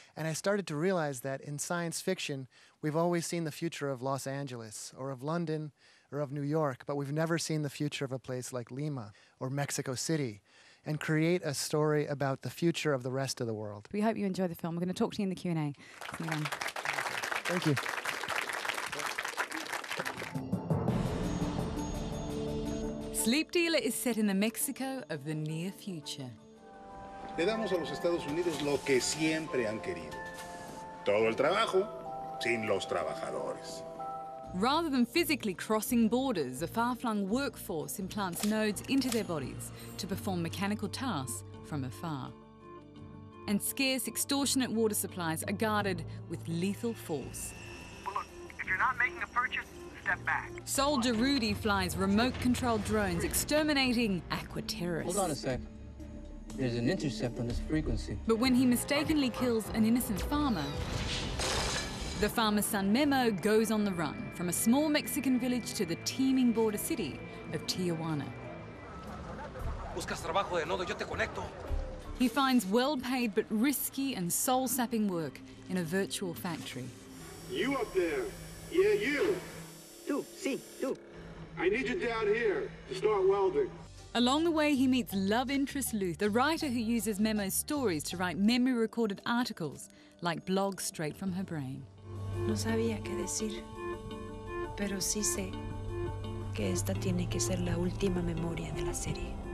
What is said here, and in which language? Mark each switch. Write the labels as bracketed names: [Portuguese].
[English] And I started to realize that in science fiction, we've always seen the future of Los Angeles or of London or of New York, but we've never seen the future of a place like Lima or Mexico City, and create a story about the future of the rest of the world. We hope you enjoy the film. We're going to talk to you in the Q&A. See you then. Thank you. Sleep Dealer is set in the Mexico of the near future. [Spanish] Le damos a los Estados Unidos lo que siempre han querido. Todo el trabajo sin los trabajadores. [English] Rather than physically crossing borders, a far-flung workforce implants nodes into their bodies to perform mechanical tasks from afar. And scarce, extortionate water supplies are guarded with lethal force. Well, look, if you're not making a purchase, step back. Soldier Rudy flies remote-controlled drones exterminating aqua terrorists. Hold on a sec. There's an intercept on this frequency. But when he mistakenly kills an innocent farmer, the farmer's son Memo goes on the run from a small Mexican village to the teeming border city of Tijuana. [Spanish] Buscas trabajo de nodo, yo te conecto. [English] He finds well-paid but risky and soul-sapping work in a virtual factory. You up there. Yeah, you. Two. I need you down here to start welding. Along the way, he meets love interest Luth, the writer who uses Memo's stories to write memory-recorded articles, like blogs straight from her brain. [Spanish] No sabía qué decir, pero sí sé que esta tiene que ser la última memoria de la serie.